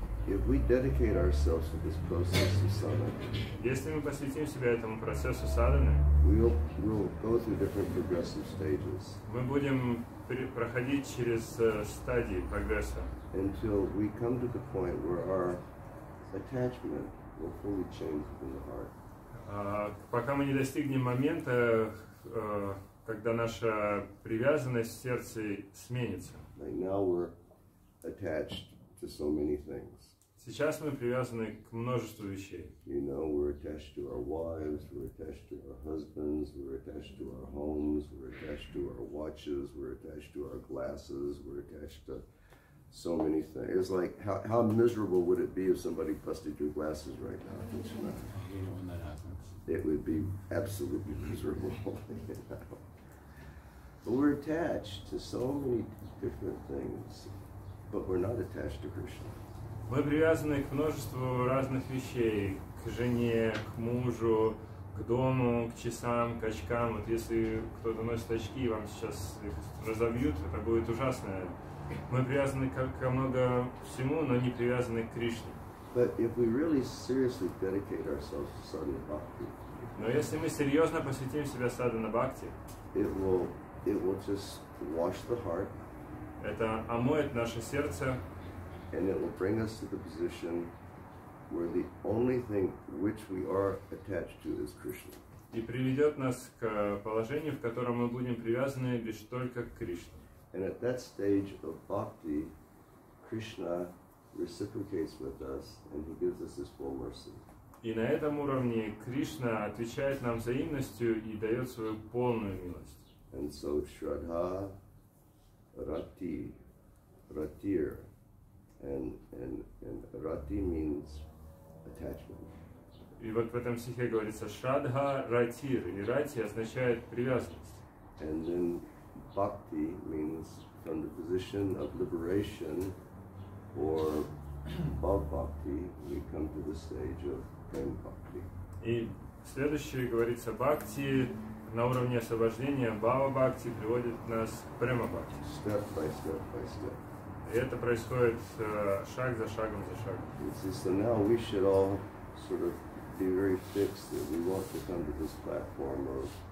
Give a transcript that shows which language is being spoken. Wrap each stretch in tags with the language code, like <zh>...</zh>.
<en>If we dedicate ourselves to this process of sadhana,</en> <ru>если мы посвятим себя этому процессу садханы,</ru> <en>we'll go through different progressive stages.</en> <ru>Мы будем проходить через стадии прогресса.</ru> <en>Until we come to the point where our attachment will fully change within the heart.</en> <ru>Пока мы не достигнем момента, когда наша привязанность в сердце сменится.</ru> <en>Like now we're attached to so many things.</en> <ru>Сейчас мы привязаны к множеству вещей.</ru> <en>You know, we're attached to our wives, we're attached to our husbands, we're attached to our homes, we're attached to our watches, we're attached to our glasses, we're attached to so many things. It's like, how miserable would it be if somebody busted your glasses right now? I hate it when that happens. It would be absolutely miserable. You know? But we're attached to so many different things, but we're not attached to Krishna.</en> <ru>Мы привязаны к множеству разных вещей, к жене, к мужу, к дому, к часам, к очкам. Вот если кто-то носит очки и вам сейчас их разобьют, это будет ужасно. Мы привязаны ко много всему, но не привязаны к Кришне.</ru> <en>But if we really seriously dedicate ourselves to sadhana bhakti,</en> <ru>но если мы серьезно посвятим себя садхана бхакти,</ru> <en>it will just wash the heart.</en> <ru>Это омоет наше сердце.</ru> <en>And it will bring us to the position where the only thing which we are attached to is Krishna.</en> <ru>И приведет нас к положению, в котором мы будем привязаны лишь только к Кришне.</ru> <en>And at that stage of bhakti, Krishna reciprocates with us, and he gives us his full mercy.</en> <ru>И на этом уровне Кришна отвечает нам взаимностью и дает свою полную милость.</ru> <en>And so Shraddha, Rati, Ratir. And rati means attachment.</en> <ru>И вот в этом стихе говорится Shraddha Ratir, и рати означает привязанность.</ru> <en>And then bhakti means from the position of liberation or above bhakti we come to the stage of prem bhakti.</en> <ru>И следующее говорится бхакти на уровне освобождения бхава бхакти приводит нас к према бхакти.</ru> <en>Step by step by step.</en> <ru>И это происходит шаг за шагом за шагом.</ru> <en>So now we should all sort of be very fixed that we want to come to this platform of.</en>